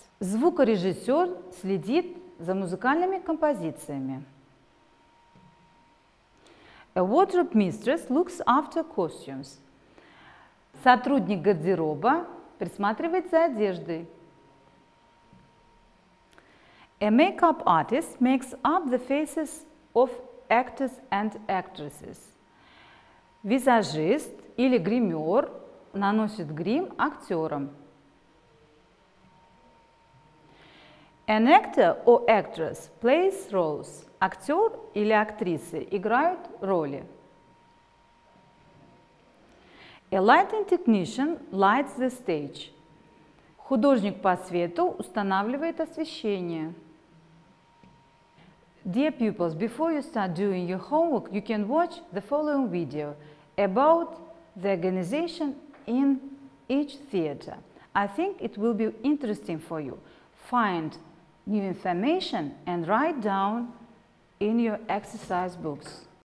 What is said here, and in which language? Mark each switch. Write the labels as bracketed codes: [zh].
[ru] Звукорежиссер следит за музыкальными композициями. [en] A wardrobe mistress looks after costumes. [ru] Сотрудник гардероба присматривает за одеждой. [en] A makeup artist makes up the faces of actors and actresses. [ru] Визажист или гример наносит грим актерам. [en] An actor or actress plays roles. [ru] Актер или актрисы играют роли. [en] A lighting technician lights the stage. [ru] Художник по свету устанавливает освещение. [en] Dear pupils, before you start doing your homework, you can watch the following video about the organization in each theater. I think it will be interesting for you. Find new information and write down in your exercise books.